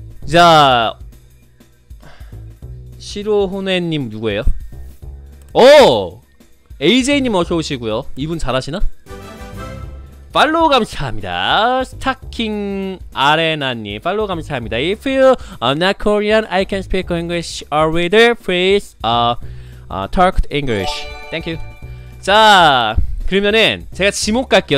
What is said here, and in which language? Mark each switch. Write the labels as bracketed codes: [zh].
[ko] 자, 시로호네님 누구예요? 오! AJ님 어서 오시고요. 이분 잘하시나? 팔로우 감사합니다. 스타킹 아레나님 팔로우 감사합니다. [en] If you are not Korean, I can speak English already. Please talk English. Thank you. [ko] 자, 그러면은 제가 지목 갈게요.